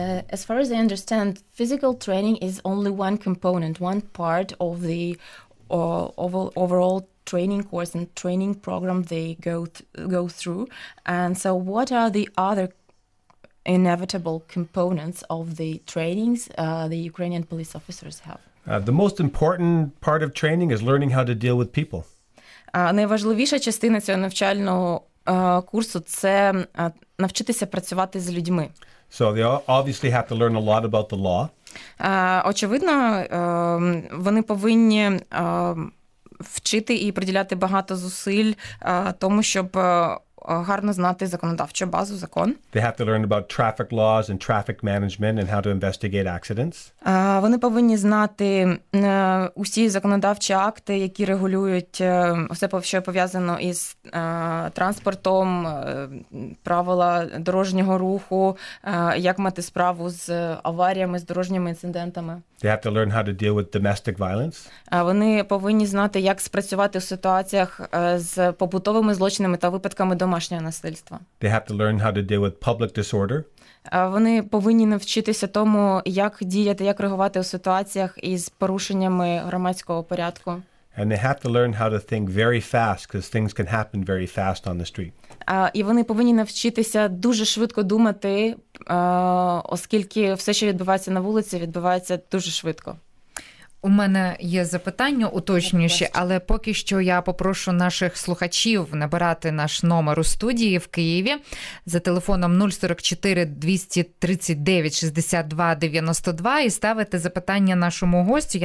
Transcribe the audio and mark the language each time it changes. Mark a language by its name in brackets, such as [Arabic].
[English] As far as I understand, physical training is only one component, one part of the overall training course and training program they go through. And so what are the other inevitable components of the trainings the Ukrainian police officers have? The most important part of training is learning how to deal with people. [Ukrainian] Найважливіша частина цього навчального курсу – це навчитися працювати з людьми. [English] So they obviously have to learn a lot about the law. [Ukrainian] Очевидно, вони повинні вчити і приділяти багато зусиль тому, щоб гарно знати законодавчу базу, закон. [English] They have to learn about traffic laws and traffic management and how to investigate accidents. [Ukrainian] Вони повинні знати усі законодавчі акти, які регулюють все, що пов'язано із транспортом, правила дорожнього руху, як мати справу з аваріями, з дорожніми інцидентами. [English] They have to learn how to deal with domestic violence. [Ukrainian] Вони повинні знати, як спрацювати у ситуаціях з побутовими злочинами та випадками домашнього насильства. [English] They have to learn how to deal with public disorder. [Ukrainian] Вони повинні навчитися тому, як діяти, як реагувати у ситуаціях із порушеннями громадського порядку. [English] And they have to learn how to think very fast, because things can happen very fast on the street. [Ukrainian] І вони повинні навчитися дуже швидко думати, оскільки все, що відбувається на вулиці, відбувається дуже швидко. У мене є запитання уточнююче, але поки що я попрошу наших слухачів набирати наш номер у студії в Києві за телефоном 044-239-62-92 і ставити запитання нашому гостю.